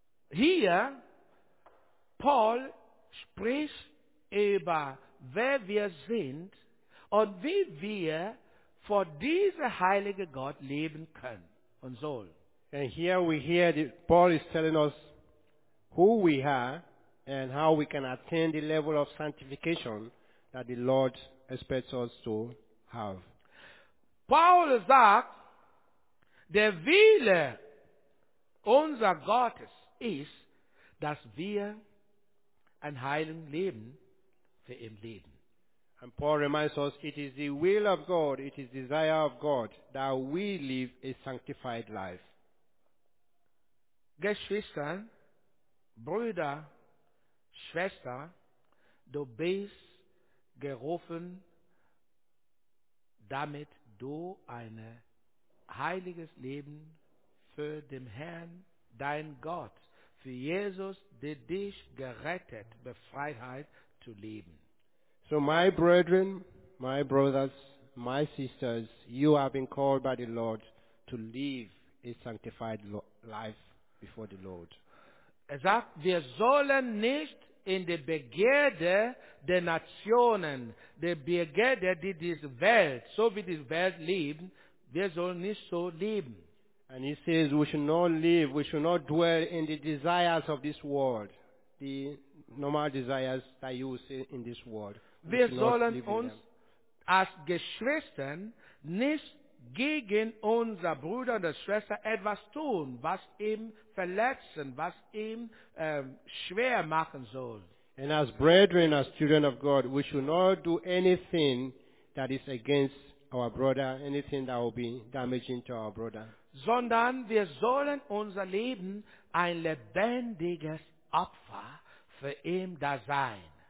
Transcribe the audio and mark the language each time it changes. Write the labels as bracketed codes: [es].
[de] Hier, Paul spricht über, wer wir sind und wie wir vor diesem heiligen Gott leben können und sollen. [en] And here we hear that Paul is telling us who we are and how we can attain the level of sanctification that the Lord expects us to have. [de] Paul sagt, der Wille unser Gottes ist, dass wir ein heiliges Leben für ihn leben. [en] And Paul reminds us, it is the will of God, it is the desire of God, that we live a sanctified life. [de] Geschwister, Brüder, Schwester, du bist gerufen, damit du ein heiliges Leben für den Herrn, dein Gott, für Jesus, der dich gerettet, befreit hat, zu leben. [en] So my brethren, my brothers, my sisters, you have been called by the Lord to live a sanctified life before the Lord. [de] Er sagt, wir sollen nicht in der Begierde der Nationen, der Begierde, die diese Welt, so wie diese Welt lebt, wir sollen nicht so leben. [en] And he says, we should not live, we should not dwell in the desires of this world, the normal desires that you see in this world. [de] Wir sollen uns als Geschwistern nicht gegen unser Bruder oder Schwester etwas tun, was ihm verletzen, was ihm schwer machen soll. [en] And as brethren, as children of God, we should not do anything that is against our brother, anything that will be damaging to our brother. [de] Sondern wir sollen unser Leben ein lebendiges Opfer für ihm da sein.